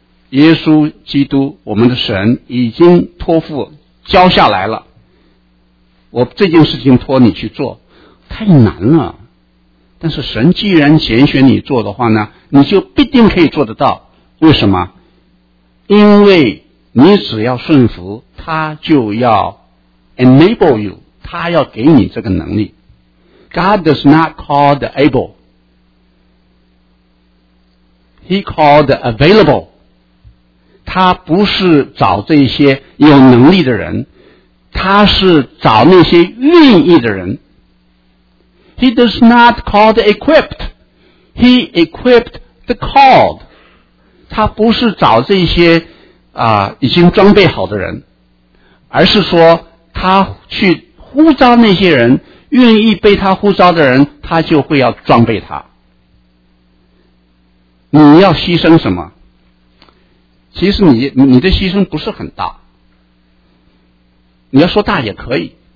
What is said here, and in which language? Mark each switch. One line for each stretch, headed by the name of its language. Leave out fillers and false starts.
Chinese: 耶稣基督我们的神已经托付交下来了，我这件事情托你去做，太难了。但是神既然拣选你做的话呢，你就必定可以做得到。为什么？因为你只要顺服，他就要
English: enable you，
Chinese: 他要给你这个能力。
English: God does not call the able, He called the available。
Chinese: 他不是找这些有能力的人，他是找那些愿意的人。
English: He does not call the equipped, He equipped the called。
Chinese: 他不是找这些已经装备好的人，而是说他去呼召那些人，愿意被他呼召的人，他就会要装备他。你要牺牲什么？其实你的牺牲不是很大，你要说大也可以。